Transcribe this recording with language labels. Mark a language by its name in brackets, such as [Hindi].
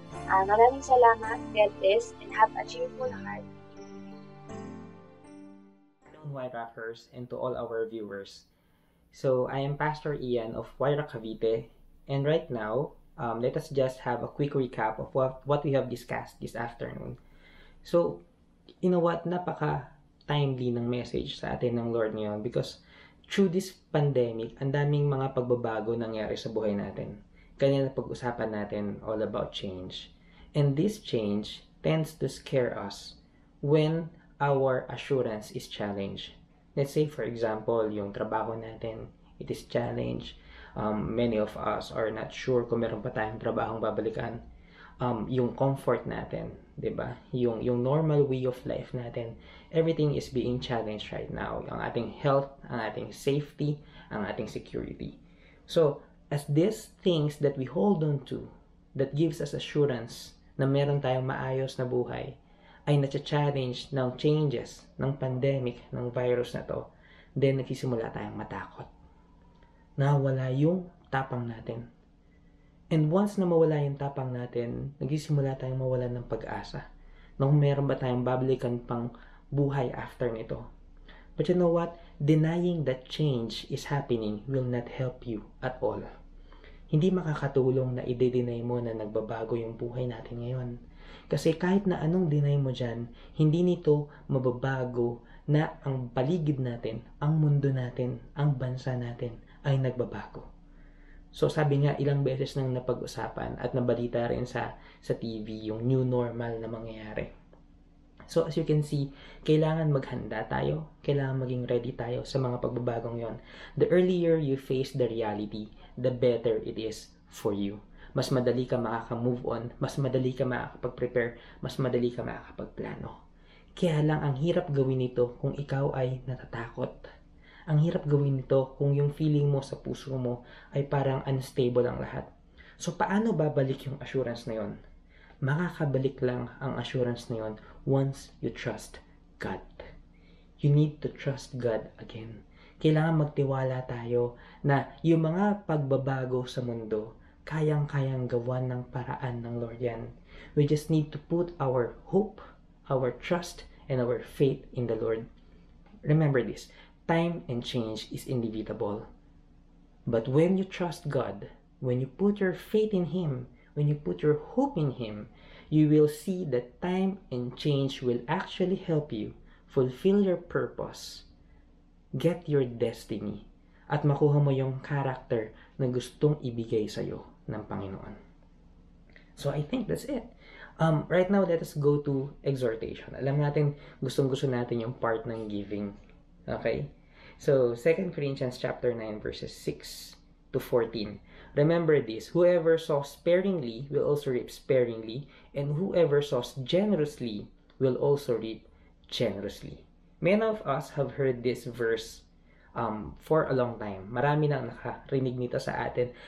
[Filipino] Maraming salamat. [English] God bless and have a cheerful heart. White Rockers, and to all our viewers. So, I am Pastor Ian of Huayra, Cavite. And right now, let us just have a quick recap of what we have discussed this afternoon. So, you know what? [Filipino] Napaka timely ng message sa atin ng Lord ngayon, [English] because through this pandemic, [Filipino] ang daming mga pagbabago nangyari sa buhay natin. Kanina pag-usapan natin [English] all about change. And this change tends to scare us when our assurance is challenged. Let's say, for example, [Filipino] yung trabaho natin, [English] it is challenged. Many of us are not sure [Filipino] kung meron pa tayong trabahong babalikan. [English] Yung comfort natin, diba? Yung normal way of life natin, everything is being challenged right now. [Filipino] Ang ating health, ang ating safety, ang ating security. [English] So, as these things that we hold on to, that gives us assurance [Filipino] na meron tayong maayos na buhay, ay natcha-challenge ng changes, ng pandemic, ng virus na to, then nagsisimula tayong matakot. Nawala yung tapang natin. And once na mawala yung tapang natin, nagsisimula tayong mawala ng pag-asa. Nung meron ba tayong babalikan pang buhay after nito. [English] But you know what? Denying that change is happening will not help you at all. [Filipino] Hindi makakatulong na i-deny mo na nagbabago yung buhay natin ngayon. Kasi kahit na anong deny mo dyan, hindi nito mababago na ang paligid natin, ang mundo natin, ang bansa natin ay nagbabago. So sabi nga, ilang beses nang napag-usapan at nabalita rin sa TV yung new normal na mangyayari. [English] So as you can see, [Filipino] kailangan maghanda tayo, kailangan maging ready tayo sa mga pagbabagong yon. [English] The earlier you face the reality, the better it is for you. [Filipino] Mas madali ka makaka-move on, mas madali ka makakapag-prepare, mas madali ka makakapag-plano. Kaya lang, ang hirap gawin nito kung ikaw ay natatakot. Ang hirap gawin nito kung yung feeling mo sa puso mo ay parang unstable ang lahat. So, paano babalik yung assurance na yon? Makakabalik lang ang assurance na yon [English] once you trust God. You need to trust God again. [Filipino] Kailangan magtiwala tayo na yung mga pagbabago sa mundo, kayang-kayang gawan ng paraan ng Lord yan. [English] We just need to put our hope, our trust, and our faith in the Lord. Remember this, time and change is inevitable. But when you trust God, when you put your faith in Him, when you put your hope in Him, you will see that time and change will actually help you fulfill your purpose, get your destiny, [Filipino] at makuha mo yung character na gustong ibigay sa'yo ng Panginoon. [English] So I think that's it. Right now, let us go to exhortation. [Filipino] Alam natin, gustong-gusto natin yung part ng giving. [English] Okay? So, 2 Corinthians chapter 9, verses 6 to 14. Remember this, whoever sows sparingly will also reap sparingly, and whoever sows generously will also reap generously. Many of us have heard this verse for a long time. [Filipino] Marami nang nakarinig nito sa atin.